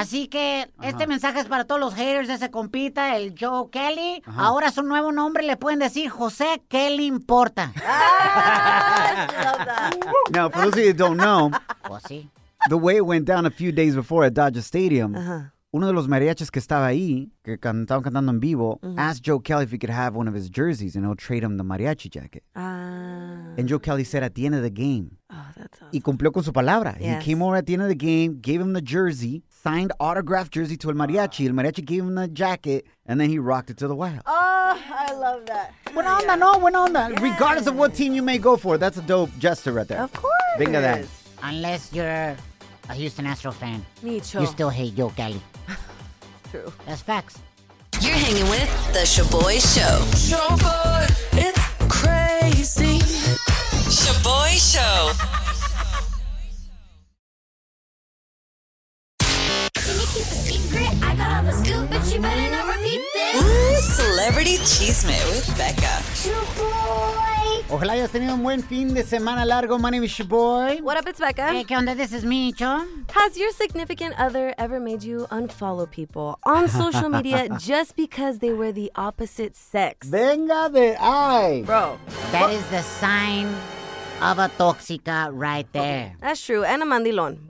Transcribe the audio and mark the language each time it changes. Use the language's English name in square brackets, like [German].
[Spanish] Así que este mensaje es para todos los haters de ese compita, el Joe Kelly. Uh-huh. Ahora su nuevo nombre le pueden decir José, ¿qué le importa? [English] Now, for those of you that don't know, [Spanish] well, sí. [English] The way it went down a few days before at Dodger Stadium, [Spanish] uno de los mariachis que estaba ahí, que estaban cantando en vivo, [English] asked Joe Kelly if he could have one of his jerseys, and he'll trade him the mariachi jacket. And Joe Kelly said, at the end of the game. Oh, that's awesome. [Spanish] Y cumplió con su palabra. Yes. [English] He came over at the end of the game, gave him the jersey, signed autographed jersey to el mariachi. El mariachi gave him the jacket, and then he rocked it to the White House. Oh, I love that. [Spanish] Buena onda, no? Buena onda. Yes. [English] Regardless of what team you may go for, that's a dope gesture right there. Of course. [Spanish] Venga that. [English] Unless you're a Houston Astro fan. Me too. You still hate Joe Kelly. True. That's facts. You're hanging with The Sha'Boy Show. Sha'Boy, it's crazy. Sha'Boy Show. Can you keep a secret? I got all the scoop, but you better not repeat this. Ooh, celebrity cheesemate with Becca. Sha'Boy. [Spanish] Ojalá hayas tenido un buen fin de semana largo. [English] My name is Sha'Boy. What up, it's Becca. Hey, [Spanish] ¿qué onda? [English] This is Micho. Has your significant other ever made you unfollow people on social media just because they were the opposite sex? [Spanish] Venga de ahí. [English] Bro. That is the sign of a toxica right there. Okay. That's true. And a mandilón.